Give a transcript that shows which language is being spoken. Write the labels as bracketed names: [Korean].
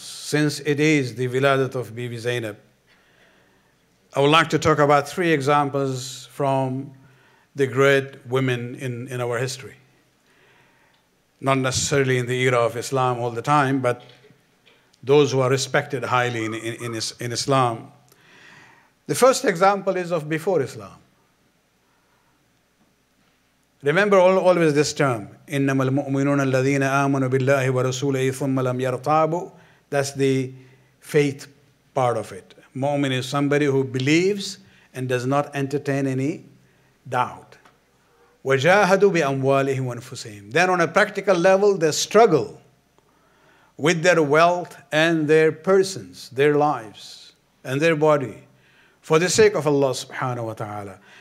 [English] Since it is the Wiladat of Bibi Zainab, I would like to talk about three examples from the great women in our history. Not necessarily in the era of Islam all the time, but those who are respected highly in Islam. The first example is of before Islam. Remember always this term, [Arabic] إِنَّمَا الْمُؤْمِنُونَ الَّذِينَ آمَنُوا بِاللَّهِ وَرَسُولِهِ ثُمَّ لَمْ يَرْتَابُوا. [English] That's the faith part of it. Mu'min is somebody who believes and does not entertain any doubt. [Arabic] وَجَاهَدُوا بِأَمْوَالِهِمْ وَنْفُسِهِمْ. [English] Then on a practical level, they struggle with their wealth and their persons, their lives, and their body for the sake of Allah subhanahu wa ta'ala.